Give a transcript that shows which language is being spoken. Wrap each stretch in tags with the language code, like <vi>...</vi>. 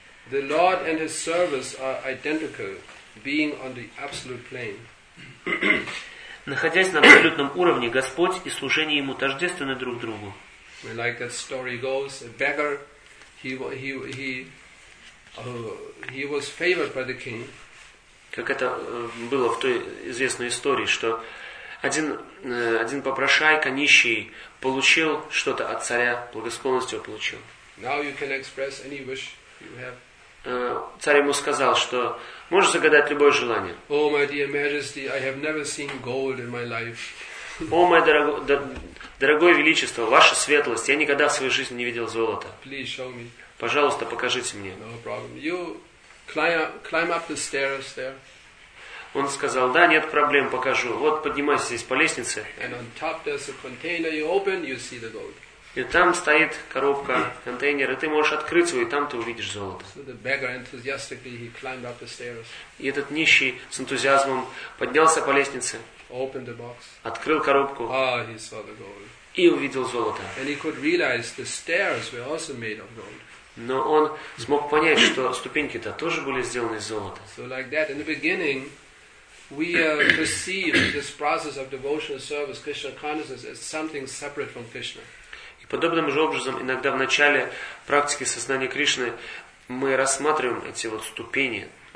<en>The Lord and His service are identical, being on the absolute plane.</en> <ru>Находясь на абсолютном уровне, Господь и служение Ему тождественны друг другу.</ru> <en>Like that story goes, a beggar, he was favored by the king.</en> <ru>Как это было в той известной истории, что один попрошайка, нищий, получил что-то от царя, благосклонность его получил.</ru> <en>Now you can express any wish you have.</en> <ru>Царь ему сказал, что можешь загадать любое желание.</ru> <en>Oh, my dear Majesty, I have never seen gold in my life.</en> <ru>О, мое дорогое величество, ваша светлость, я никогда в своей жизни не видел золота.</ru> <en>Please show me.</en> <ru>Пожалуйста, покажите мне.</ru> <en>No problem. You climb up the stairs there.</en> <ru>Он сказал, да, нет проблем, покажу. Вот поднимайся здесь по лестнице.</ru> <en>And on top there's a container. You open, you see the gold.</en> <ru>И там стоит коробка, контейнер, и ты можешь открыть его, и там ты увидишь золото.</ru> <en>So the beggar enthusiastically, he climbed up the stairs.</en> <ru>И этот нищий с энтузиазмом поднялся по лестнице,</ru> <en>opened the box.</en> <ru>Открыл коробку,</ru> <en>oh, he saw the gold.</en> <ru>И увидел золото.</ru> <en>And he could realize the stairs were also made of gold.</en> <ru>Но он смог понять, что ступеньки-то тоже были сделаны из золота.</ru> <en>So like that, in the beginning, we perceive this process of devotional service, Krishna consciousness, as something separate from Krishna.</en> <ru>Подобным же образом, иногда в начале практики сознания Кришны мы рассматриваем эти вот ступени.</ru>